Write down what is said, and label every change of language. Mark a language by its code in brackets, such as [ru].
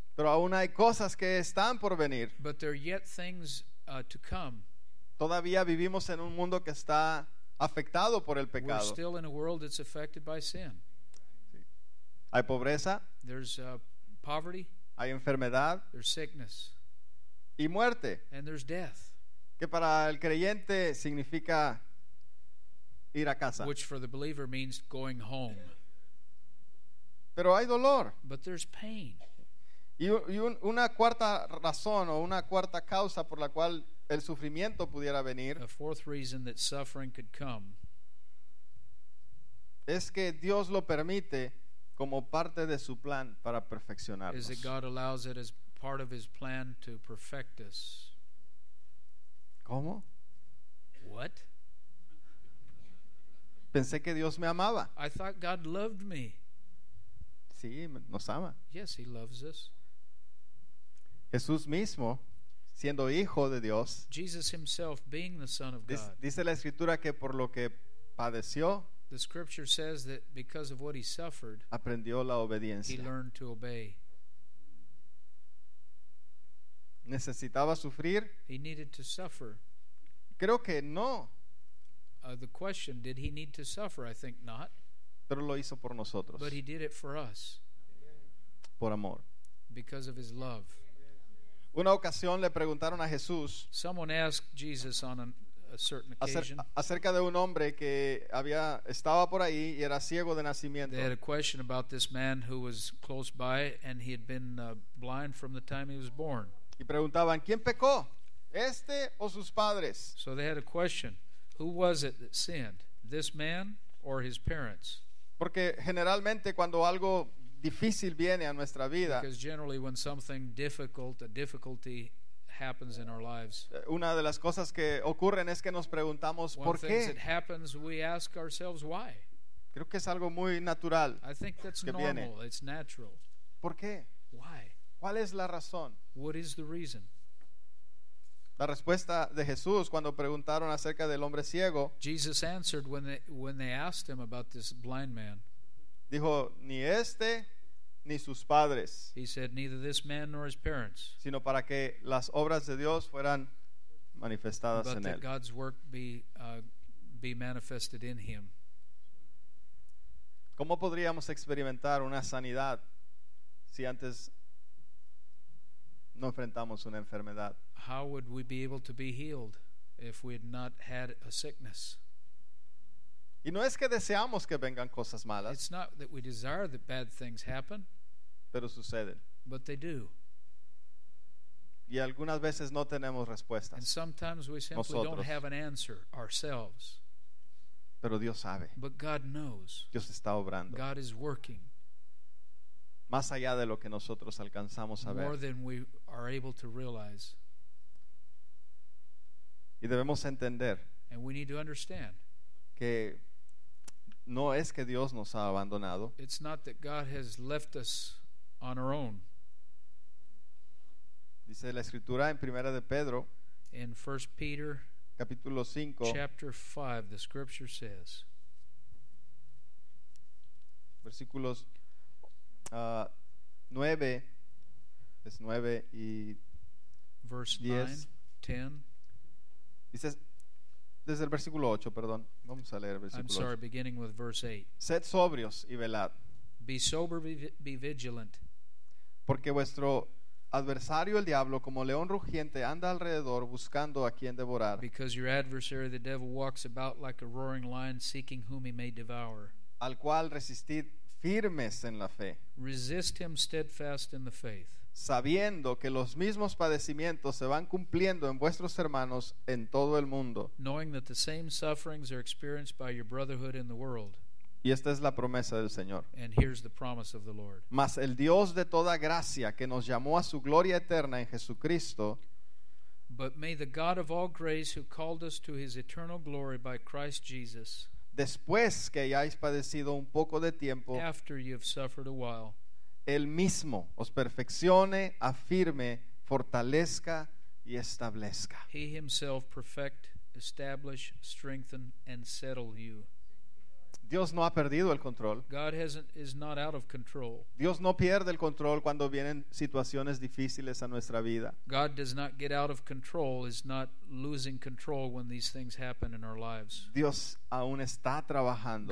[es] Pero aún hay cosas que están por venir. [en] But there are yet things to come. [es] Todavía vivimos en un mundo que está afectado por el pecado. [en] We're still in a world that's affected by sin. [es] Sí. Hay pobreza. [en] There's poverty. [es] Hay enfermedad. [en] There's sickness. [es] Y muerte. [en] And there's death. [es] Que para el creyente significa ir a casa. [en] Which for the believer means going home. [es] Pero hay dolor. [en] But there's pain. [es] Y una cuarta razón o una cuarta causa por la cual el sufrimiento pudiera venir. [en] A fourth reason that suffering could come. [es] Es que Dios lo permite como parte de su plan para perfeccionarnos. [en] Is that God allows it as part of his plan to perfect us. [es] ¿Cómo? [en] What? [es] Pensé que Dios me amaba. [en] I thought God loved me. [es] Sí, nos ama. [en] Yes, he loves us. [es] Jesús mismo, siendo hijo de Dios, [en] Jesus himself being the son of God, [es] dice la escritura que por lo que padeció, [en] the scripture says that because of what he suffered, [es] aprendió la obediencia. [en] He learned to obey. [es] ¿Necesitaba sufrir? [en] He needed to suffer. [es] Creo que no. [en] The question, did he need to suffer? I think not. [es] Pero lo hizo por nosotros. [en] But he did it for us. [es] Por amor. [en] Because of his love. [es] Una ocasión le preguntaron a Jesús. [en] Someone asked Jesus on a certain occasion. [es] Acerca de un hombre que estaba por ahí y era ciego de nacimiento. [en] They had a question about this man who was close by and he had been blind from the time he was born. [es] Y preguntaban, ¿quién pecó? ¿Este o sus padres? [en] So they had a question. Who was it that sinned? This man or his parents? [es] Porque generalmente cuando algo difícil viene a nuestra vida, [en] because generally when something difficult, a difficulty happens in our lives, [es] una de las cosas que ocurren es que nos preguntamos ¿por qué? [en] When things happen, we ask ourselves why. [es] Creo que es algo muy natural. [en] I think that's [es] que [en] normal. [es] Viene. [en] It's natural. [es] ¿Por qué? [en] Why? [es] ¿Cuál es la razón? [en] What is the reason? [es] La respuesta de Jesús cuando preguntaron acerca del hombre ciego. [en] Jesus answered when they asked him about this blind man. [es] Dijo, ni este ni sus padres. [en] He said, neither this man nor his parents. [es] Sino para que las obras de Dios fueran manifestadas [en] but [es] en [en] that [es] él. [en] God's work be manifested in him. [es] ¿Cómo podríamos experimentar una sanidad si antes no enfrentamos una enfermedad? [en] How would we be able to be healed if we had not had a sickness? [es] Y no es que deseamos que vengan cosas malas. [en] It's not that we desire that bad things happen. [es] Pero suceden. [en] But they do. [es] Y algunas veces no tenemos respuestas. [en] And sometimes we simply [es] nosotros. [en] Don't have an answer ourselves. [es] Pero Dios sabe. [en] But God knows. [es] Dios está obrando. [en] God is working. [es] Más allá de lo que nosotros alcanzamos a ver. [en] More than we are able to realize. [es] Y debemos entender. [en] And we need to understand. [es] Que no es que Dios nos ha abandonado. [en] It's not that God has left us on our own. [es] Dice la escritura en Primera de Pedro, [en] in 1 Peter [es] capítulo 5, [en] chapter 5, the scripture says, [es] versículos 9, es 9 y [en] verse [es] 10, 9, 10. Dice desde el versículo 8, perdón. Vamos a leer el versículo 8. [en] I'm sorry, beginning with verse 8. [es] Sed sobrios y velad. [en] Be sober, be vigilant. [es] Porque vuestro adversario el diablo, como león rugiente, anda alrededor buscando a quien devorar. [en] Because your adversary the devil walks about like a roaring lion seeking whom he may devour. [es] Al cual resistid firmes en la fe. [en] Resist him steadfast in the faith. [es] Sabiendo que los mismos padecimientos se van cumpliendo en vuestros hermanos en todo el mundo. [en] Knowing that the same sufferings are experienced by your brotherhood in the world. [es] Y esta es la promesa del Señor. [en] And here's the promise of the Lord. [es] Mas el Dios de toda gracia que nos llamó a su gloria eterna en Jesucristo. [en] But may the God of all grace who called us to his eternal glory by Christ Jesus. [es] Después que hayáis padecido un poco de tiempo. [en] After you've suffered a while. [es] Él mismo os perfeccione, afirme, fortalezca y establezca. [en] He himself perfect, establish, strengthen, and settle you. [es] Dios no ha perdido el control. [en] God is not out of control. [es] Dios no pierde el control cuando vienen situaciones difíciles a nuestra vida. [en] God does not get out of control, is not losing control when these things happen in our lives. [es] Dios aún está trabajando.